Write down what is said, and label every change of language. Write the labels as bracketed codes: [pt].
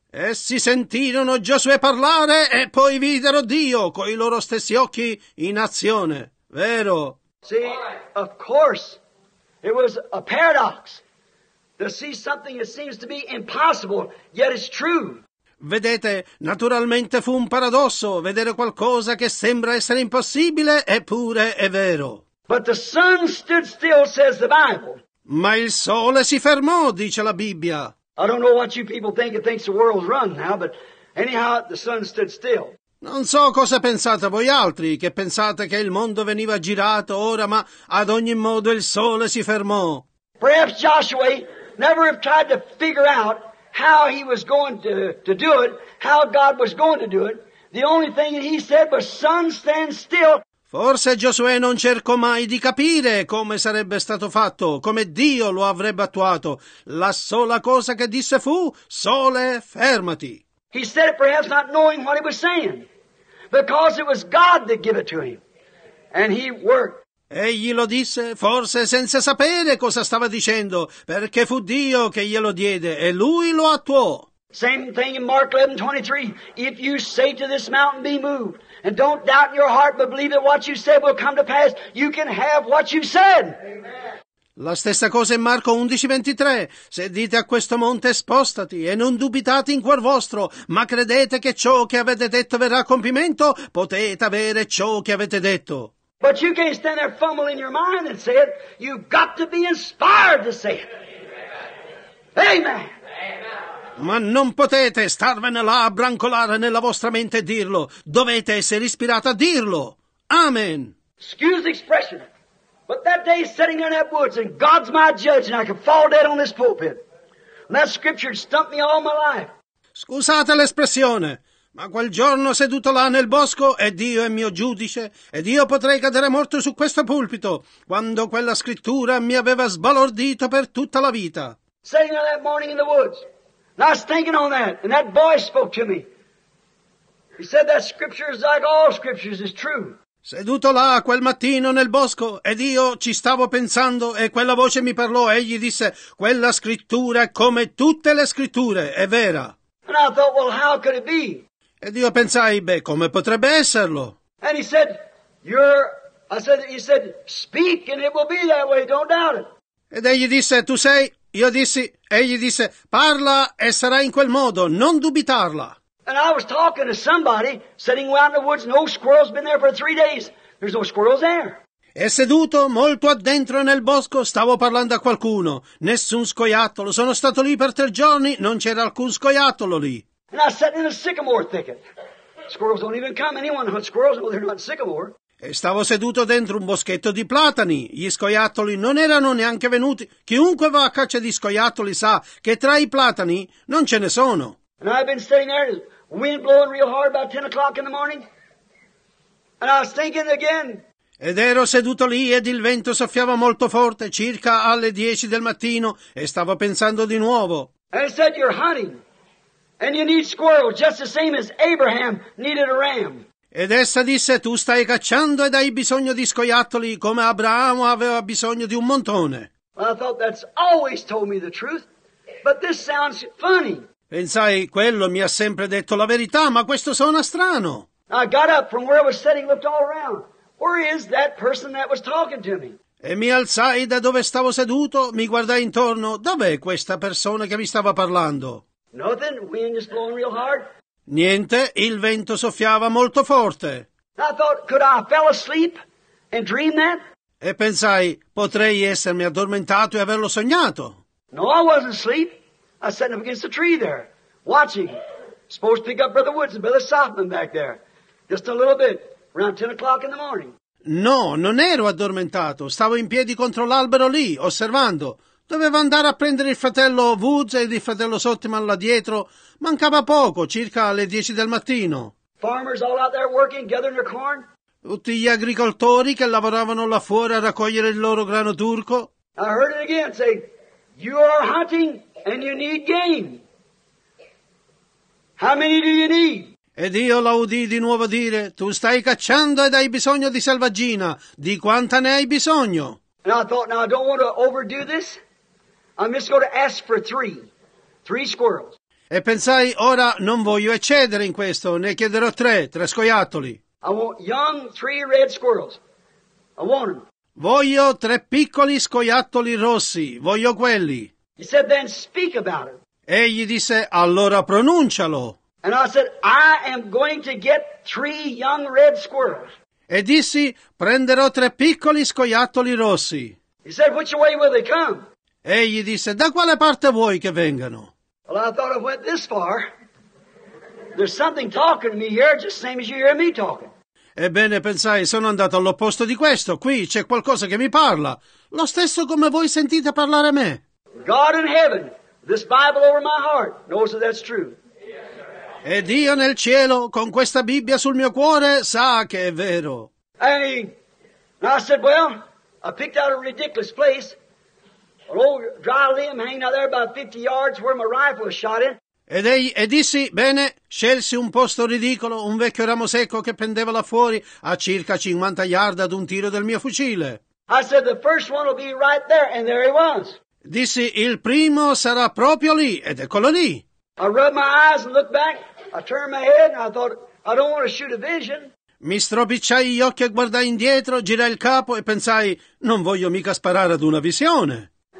[it] Essi sentirono Giosuè parlare e poi videro Dio coi loro stessi occhi in azione. Vero? [en] See, of course, it was a paradox to see something that seems to be impossible, yet it's true. [it] Vedete, naturalmente fu un paradosso vedere qualcosa che sembra essere impossibile, eppure è vero. [en] But the sun stood still, says the Bible. [it] Ma il sole si fermò, dice la Bibbia. [en] I don't know what you people think. It thinks the world's run now, but anyhow, the sun stood still. [it] Non so cosa pensate voi altri, che pensate che il mondo veniva girato ora, ma ad ogni modo il sole si fermò. [en] Perhaps Joshua never have tried to figure out how he was going to do it, how God was going to do it. The only thing that he said was, sun, stand still. [it] Forse Giosuè non cercò mai di capire come sarebbe stato fatto, come Dio lo avrebbe attuato. La sola cosa che disse fu: sole, fermati. [en] He said it perhaps not knowing what he was saying, because it was God that gave it to him, and he worked. [it] Egli lo disse forse senza sapere cosa stava dicendo, perché fu Dio che glielo diede e lui lo attuò. [en] Same thing in Mark 11:23. If you say to this mountain, be moved, and don't doubt in your heart, but believe that what you said will come to pass, you can have what you said. [it] La stessa cosa in Marco 11:23. Se dite a questo monte, spostati, e non dubitate in cuor vostro, ma credete che ciò che avete detto verrà a compimento, potete avere ciò che avete detto. [en] But you can't stand there fumbling your mind and say it. You've got to be inspired to say it. Amen. Amen. [it] Ma non potete starvene là a brancolare nella vostra mente e dirlo. Dovete essere ispirati a dirlo. Amen. [en] Excuse the expression, but that day sitting in that woods and God's my judge and I could fall dead on this pulpit. And that scripture stumped me all my life. [it] Scusate l'espressione. Ma quel giorno seduto là nel bosco, e Dio è mio giudice, ed io potrei cadere morto su questo pulpito, quando quella scrittura mi aveva sbalordito per tutta la vita. [en] Sitting there that morning in the woods, and I was thinking on that, and that voice spoke to me. He said that scripture is like all scriptures, is true. [it] Seduto là quel mattino nel bosco, ed io ci stavo pensando, e quella voce mi parlò, e gli disse, quella scrittura è come tutte le scritture, è vera. [en] And I thought, well, how could it be? [it] Ed io pensai, beh, come potrebbe esserlo? [en] And he said, he said, speak and it will be that way, don't doubt it. [it] Ed egli disse, tu sei, io dissi, egli disse, parla e sarà in quel modo, non dubitarla. [en] And I was talking to somebody, sitting out in the woods, no squirrel's been there for 3 days, there's no squirrels there. [it] E seduto molto addentro nel bosco, stavo parlando a qualcuno, nessun scoiattolo, sono stato lì per 3 giorni, non c'era alcun scoiattolo lì. [en] And I sat in a sycamore thicket. Squirrels don't even come. Anyone hunts squirrels? Well, they're not sycamore. [it] E stavo seduto dentro un boschetto di platani. Gli scoiattoli non erano neanche venuti. Chiunque va a caccia di scoiattoli sa che tra i platani non ce ne sono. [en] And I've been sitting there, the wind blowing real hard about 10 o'clock in the morning. And I was thinking again. [it] Ed ero seduto lì ed il vento soffiava molto forte circa alle 10 del mattino e stavo pensando di nuovo. [en] And I said, you're hunting. And you need squirrels just the same as Abraham needed a ram. [it] Ed essa disse, tu stai cacciando ed hai bisogno di scoiattoli come Abramo aveva bisogno di un montone. [en] Well, I thought that's always told me the truth, but this sounds funny. [it] Pensai, quello mi ha sempre detto la verità, ma questo suona strano. [en] I got up from where I was sitting, looked all around. Where is that person that was talking to me? [it] E mi alzai da dove stavo seduto, mi guardai intorno. Dov'è questa persona che mi stava parlando? [en] Nothing, wind is blowing real hard. [it] Niente, il vento soffiava molto forte. [en] I thought, could I fell asleep and dream that? [it] E pensai, potrei essermi addormentato e averlo sognato. [en] No, I wasn't asleep. I sat up against the tree there, watching. Supposed to pick up Brother Woods and Brother Softman back there. Just a little bit, around 10 o'clock in the morning. [it] No, non ero addormentato. Stavo in piedi contro l'albero lì, osservando. Doveva andare a prendere il fratello Woods e il fratello Sottiman là dietro. Mancava poco, circa alle 10 del mattino. [en] Farmers all out there working, gathering their corn. [it] Tutti gli agricoltori che lavoravano là fuori a raccogliere il loro grano turco. [en] I heard it again say, you are hunting and you need game. How many do you need? [it] Ed io la udii di nuovo dire, tu stai cacciando ed hai bisogno di selvaggina. Di quanta ne hai bisogno? [en] And I thought, now I don't want to overdo this. I'm just going to ask for three squirrels. [it] E pensai, ora non voglio eccedere in questo, ne chiederò tre scoiattoli. [en] I want young, three red squirrels. I want them. [it] Voglio tre piccoli scoiattoli rossi, voglio quelli. [en] He said, then speak about it. [it] Egli disse, allora pronuncialo. [en] And I said, I am going to get three young red squirrels. [it] E dissi, prenderò tre piccoli scoiattoli rossi. [en] He said, which way will they come? [it] Egli disse, da quale parte vuoi che vengano? [en] Well, I thought I went this far. There's something talking to me here, just same as you hear me talking. [it] Ebbene, pensai, sono andato all'opposto di questo. Qui c'è qualcosa che mi parla. Lo stesso come voi sentite parlare a me. [en] God in heaven, this Bible over my heart, knows that that's true. [it] E Dio nel cielo, con questa Bibbia sul mio cuore, sa che è vero. [en] And I said, well, I picked out a ridiculous place, an old dry limb hanging out there about 50 yards where my rifle was shot in. [it] E dissi, bene, scelsi un posto ridicolo, un vecchio ramo secco che pendeva là fuori a circa 50 yard ad un tiro del mio fucile. [en] I said, the first one will be right there, and there he was. [it] Dissi, il primo sarà proprio lì, ed eccolo lì. [en] I rubbed my eyes and looked back, I turned my head and I thought, I don't want to shoot a vision. [it] Mi stropicciai gli occhi e guardai indietro, girai il capo e pensai, non voglio mica sparare ad una visione.